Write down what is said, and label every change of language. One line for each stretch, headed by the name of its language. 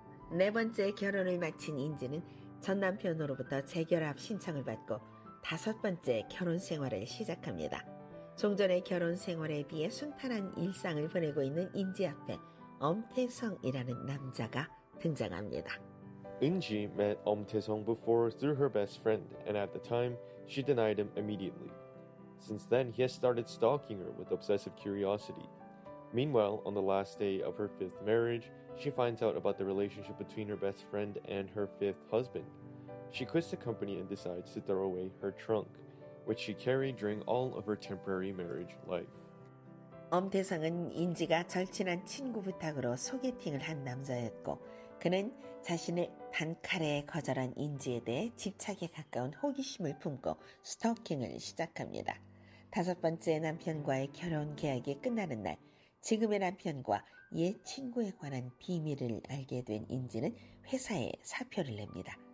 Korean: 네 번째 결혼을 마친 인지는 전 남편으로부터 재결합 신청을 받고 다섯 번째 결혼 생활을 시작합니다. 종전의 결혼 생활에 비해 순탄한 일상을 보내고 있는 인지 앞에 Om Tae-sung이라는 남자가 등장합니다.
English: Eunji met Om Tae-sung before through her best friend, and at the time, she denied him immediately. Since then, he has started stalking her with obsessive curiosity. Meanwhile, on the last day of her fifth marriage, she finds out about the relationship between her best friend and her fifth husband. She quits the company and decides to throw away her trunk, which she carried during all of her temporary marriage life.
Korean: Om Tae-sung은 인지가 절친한 친구 부탁으로 소개팅을 한 남자였고, 그는 자신의 단칼에 거절한 인지에 대해 집착에 가까운 호기심을 품고 스토킹을 시작합니다. 다섯 번째 남편과의 결혼 계약이 끝나는 날, 지금의 남편과 옛 친구에 관한 비밀을 알게 된 인지는 회사에 사표를 냅니다.